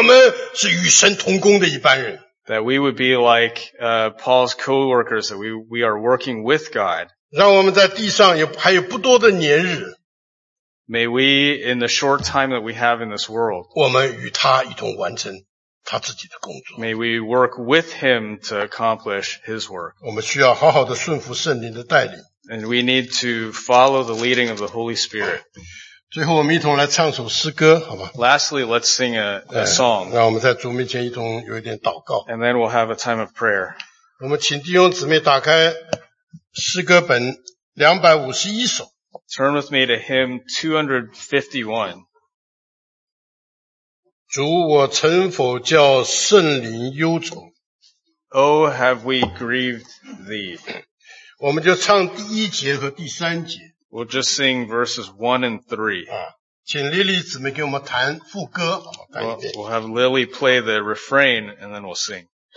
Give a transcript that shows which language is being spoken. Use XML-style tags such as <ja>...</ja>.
<zh>但愿我们都能像保罗说呢,我们是与神同工的一般人。</zh> <en>That we would be like Paul's co-workers, that we are working with God.</en> <zh>让我们在地上还有不多的年日。</zh> <en>May we, in the short time that we have in this world,</en> <zh>我们与他一同完成他自己的工作。</zh> <en>May we work with Him to accomplish His work.</en> <zh>我们需要好好地顺服圣灵的带领。</zh> <en>And we need to follow the leading of the Holy Spirit.</en> <zh>最后我们一同来唱首诗歌,</zh> <en>lastly, let's sing a song.</en> <zh>让我们在主面前一同有一点祷告。</zh> <en>And then we'll have a time of prayer.</en> <zh>我们请弟兄姊妹打开诗歌本 251首。</zh> <en>Turn with me to hymn 251.</en> <zh>主我曾否叫圣灵忧愁。</zh> <en>Oh, have we grieved thee?</en> <zh>我们就唱第一节和第三节。</zh> <en>We'll just sing verses 1 and 3.</en> <zh>请Lily姊妹给我们弹副歌。</zh> <en>We'll have Lily play the refrain and then we'll sing.</en>